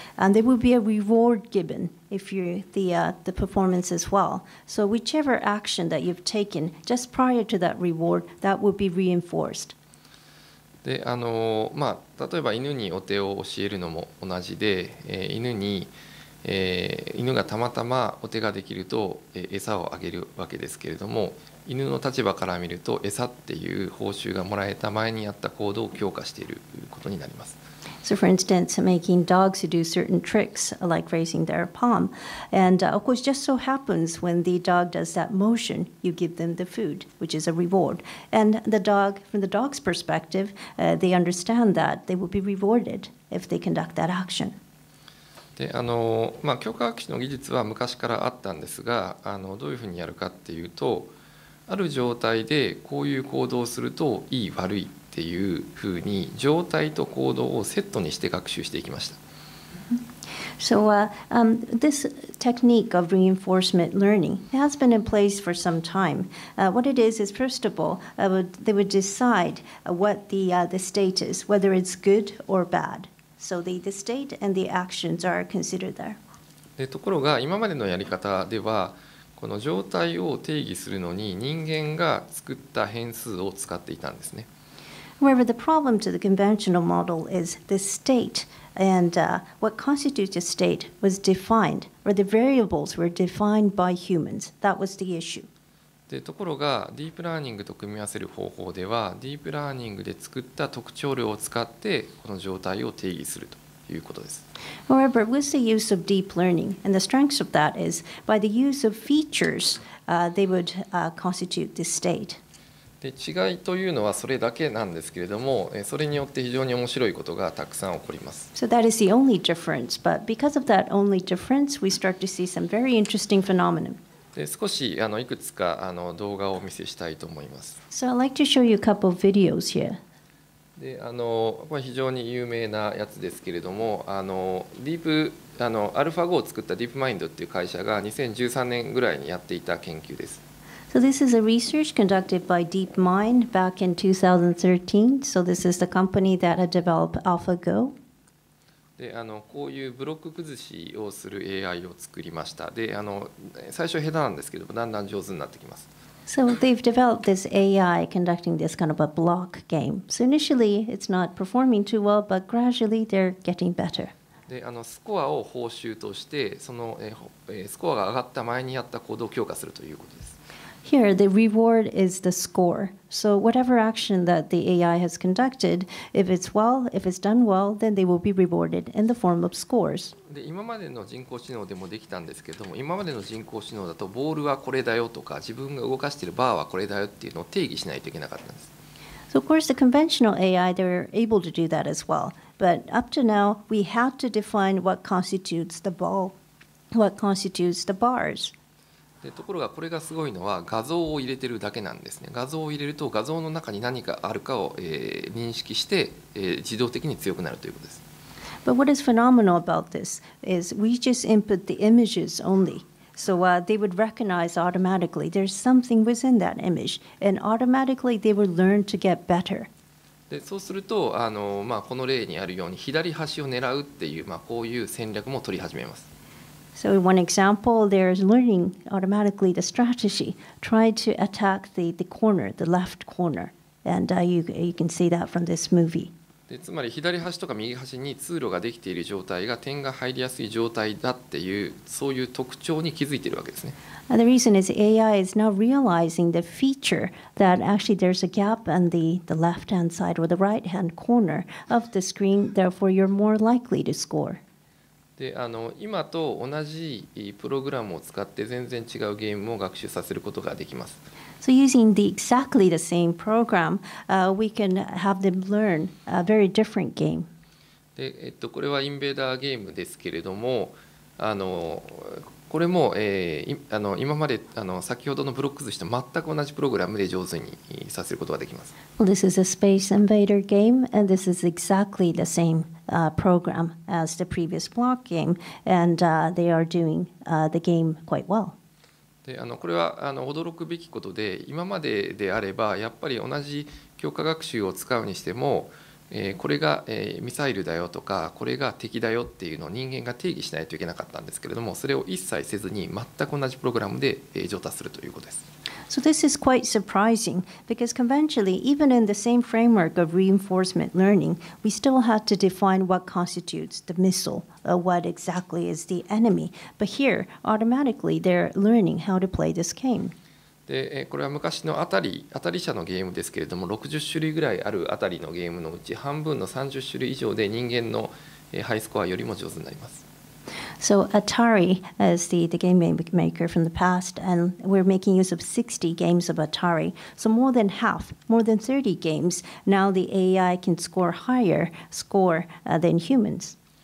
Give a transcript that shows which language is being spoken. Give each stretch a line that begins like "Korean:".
English: And there will be a reward given if you the performance as well. So whichever action that you've taken just prior to that reward, that will be reinforced.
Japanese: で、あの、まあ、例えば犬にお手を教えるのも同じで、犬に、犬がたまたまお手ができると、餌をあげるわけですけれども、犬の立場から見ると餌っていう報酬がもらえた前にやった行動を強化していることになります。
English: So for instance, making dogs do certain tricks like raising their palm. And of course, just so happens when the dog does that motion, you give them the food, which is a reward. And the dog, from the dog's perspective, they understand that they will be rewarded if they conduct that action.
Japanese: で、あの、まあ、強化学習の技術は昔からあったんですが、あの、どういうふうにやるかっていうと、ある状態でこういう行動をするといい悪い。というふうに状態と行動をセットにして学習していきました。
English: So, this technique of reinforcement learning has been in place for some time. What it is first of all, they would decide what the state is, whether it's good or bad. So the state and the actions are considered there.
Japanese: で、ところが今までのやり方では、この状態を定義するのに人間が作った変数を使っていたんですね。
English: However, the problem to the conventional model is the state, and what constitutes a state was defined, or the variables were defined by humans. That was the issue.
Japanese: で、ところが、ディープラーニングと組み合わせる方法では、ディープラーニングで作った特徴量を使って、この状態を定義するということです。
English: However, with the use of deep learning, and the strengths of that is, by the use of features, they would constitute the state.
Japanese: で、違いというのはそれだけなんですけれども、それによって非常に面白いことがたくさん起こります。
English: So that is the only difference, but because of that only difference, we start to see some very interesting phenomenon.
Japanese: で、少し、あの、いくつか、あの、動画をお見せしたいと思います。
English: So I'd like to show you a couple of videos here.
Japanese: で、あの、これ非常に有名なやつですけれども、あの、ディープ、あの、アルファ5を作ったディープマインドっていう会社が2013年ぐらいにやっていた研究です。
English: So this is a research conducted by DeepMind back in 2013. So this is the company that had developed AlphaGo.
Japanese: で、あの、こういうブロック崩しをする AI を作りました。で、あの、最初下手なんですけども、だんだん上手になってきます。
English: So they've developed this AI conducting this kind of a block game. So initially it's not performing too well, but gradually they're getting better.
Japanese: で、あの、スコアを報酬として、その、スコアが上がった前にやった行動を強化するということです。
English: Here, the reward is the score. So whatever action that the AI has conducted, if it's well, if it's done well, then they will be rewarded in the form of scores.
Japanese: で、今までの人工知能でもできたんですけども、今までの人工知能だとボールはこれだよとか、自分が動かしているバーはこれだよっていうのを定義しないといけなかったんです。
English: So of course, the conventional AI, they're able to do that as well. But up to now, we have to define what constitutes the ball, what constitutes the bars.
Japanese: で、ところがこれがすごいのは画像を入れてるだけなんですね。画像を入れると画像の中に何かあるかを、認識して、自動的に強くなるということです。
English: But what is phenomenal about this is we just input the images only. So they would recognize automatically. There's something within that image, and automatically they would learn to get better.
Japanese: で、そうすると、この例にあるように左端を狙うっていう、こういう戦略も取り始めます。
English: So in one example, there's learning automatically the strategy. Try to attack the corner, the left corner. And you can see that from this movie.
Japanese: でつまり左端とか右端に通路ができている状態が点が入りやすい状態だっていうそういう特徴に気づいているわけですね。
English: The reason is AI is now realizing the feature that actually there's a gap on the left-hand side or the right-hand corner of the screen. Therefore, you're more likely to score.
Japanese: で、今と同じプログラムを使って全然違うゲームを学習させることができます。
English: So using the exactly the same program, we can have them learn a very different game.
Japanese: で、これはインベーダーゲームですけれども、これも、今まで先ほどのブロック図と全く同じプログラムで上手にさせることができます。
English: Well, this is a space invader game, and this is exactly the same, program as the previous block game, and, they are doing, the game quite well.
Japanese: でこれは驚くべきことで、今までであればやっぱり同じ強化学習を使うにしても、これが、ミサイルだよとか、これが敵だよっていうのを人間が定義しないといけなかったんですけれども、それを一切せずに全く同じプログラムで、上達するということです。
English: So this is quite surprising because conventionally, even in the same framework of reinforcement learning, we still had to define what constitutes the missile, or what exactly is the enemy. But here, automatically, they're learning how to play this game.
Japanese: で、これは昔の当たり者のゲームですけれども、60種類ぐらいある当たりのゲームのうち半分の30種類以上で人間のハイスコアよりも上手になります。
English: So Atari is the game maker from the past, and we're making use of 60 games of Atari. So more than half, more than 30 games, now the AI can score higher score than humans.